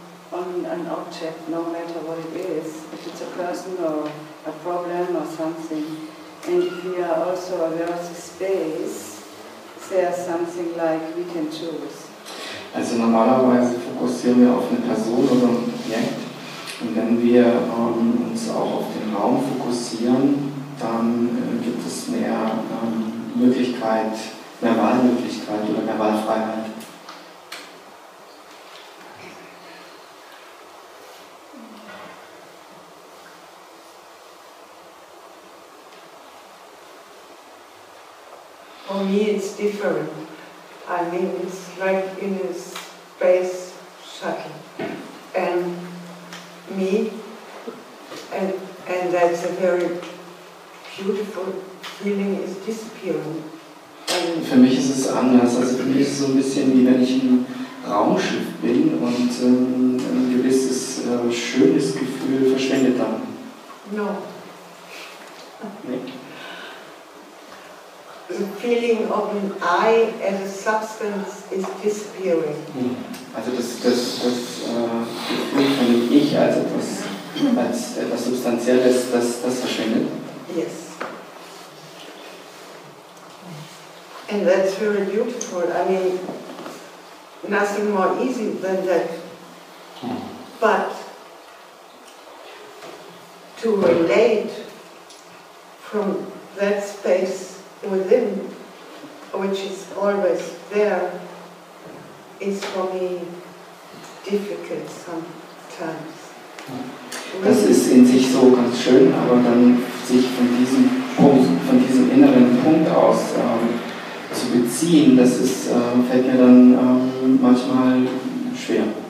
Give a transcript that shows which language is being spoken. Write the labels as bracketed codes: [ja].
[en] No matter what it is, if it's a person or a problem or something, and if we are also aware of the space, there's something like we can choose. [de] Also normalerweise fokussieren wir auf eine Person oder ein Objekt, und wenn wir uns auch auf den Raum fokussieren, dann gibt es mehr Möglichkeit, mehr Wahlmöglichkeit oder mehr Wahlfreiheit. [en] For me it's different. I mean it's like in a space shuttle. And me, and that's a very beautiful feeling, is disappearing. [de] And für mich ist es anders. Also für mich ist es so ein bisschen wie wenn ich im Raumschiff bin und ein gewisses schönes Gefühl verschwindet dann. [en] No. The feeling of an I as a substance is disappearing. [de] Also das Gefühl von dem Ich als etwas Substanzielles, das verschwindet. [en] Yes. And that's very beautiful. I mean, nothing more easy than that. But to relate from that space within, which is always there, is for me difficult sometimes. [de] Das ist in sich so ganz schön, aber dann sich von diesem Punkt, von diesem inneren Punkt aus zu beziehen, das ist, fällt mir dann manchmal schwer.